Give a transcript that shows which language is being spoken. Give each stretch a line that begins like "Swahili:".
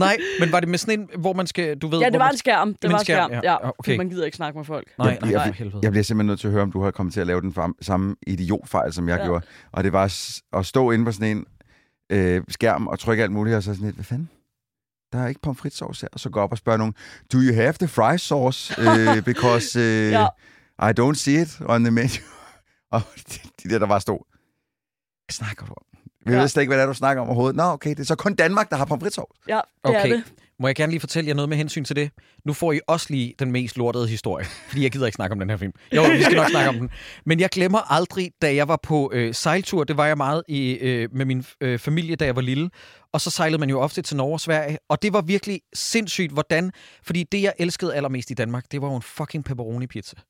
Danish: Nej, men var det med sådan en, hvor man skal, du ved... Ja, det var en skærm. Det var en skærm, ja. Okay. Man gider ikke snakke med folk. Jeg bliver simpelthen nødt til at høre, om du har kommet til at lave den samme idiotfejl, som jeg gjorde. Og det var at stå inde på sådan en skærm og trykke alt muligt, og så sådan et, hvad fanden? Der er ikke pomfritsauce her. Og så går op og spørger nogen,
English: do you have the fry sauce? Because I don't see it on the menu.
Danish: Og det der bare stod, hvad snakker du om? Vi ved slet ikke, hvad det er, du snakker om overhovedet. Nå, okay, det er så kun Danmark, der har pomfritsauce. Ja, det okay. Er det. Må jeg gerne lige fortælle jer noget med hensyn til det? Nu får I også lige den mest lortede historie, fordi jeg gider ikke snakke om den her film. Jo, vi skal nok snakke om den. Men jeg glemmer aldrig, da jeg var på sejltur, det var jeg meget med min familie, da jeg var lille, og så sejlede man jo ofte til Norge og Sverige, og det var virkelig sindssygt, hvordan, fordi det, jeg elskede allermest i Danmark, det var jo en fucking pepperoni-pizza.